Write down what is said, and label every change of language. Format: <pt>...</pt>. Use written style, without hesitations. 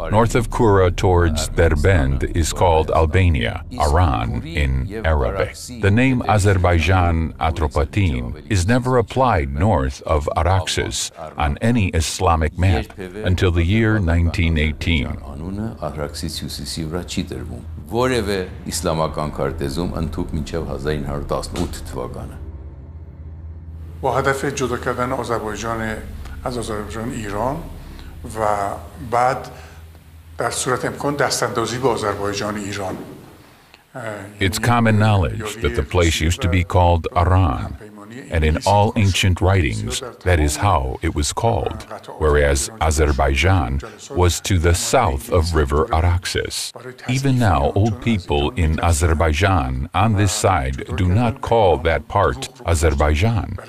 <en>North of Kura towards Derbend is called Albania, Iran in Arabic. The name Azerbaijan Atropatene is never applied north of Araxes on any Islamic map until the year 1918.</en> <hy>Անունը Արաքսից հյուսիսի վրա չի դրվում որևէ իսլամական քարտեզում ընդհուպ մինչև 1918 թվականը ու</hy> <fa>հدف جدا کردن آذربایجان از آذربایجان ایران و بعد در صورت امکان دست اندازی به آذربایجان ایران.</fa> <en>It's common knowledge that the place used to be called Iran, and in all ancient writings, that is how it was called, whereas Azerbaijan was to the south of River Araxes. Even now, old people in Azerbaijan on this side do not call that part Azerbaijan.</en>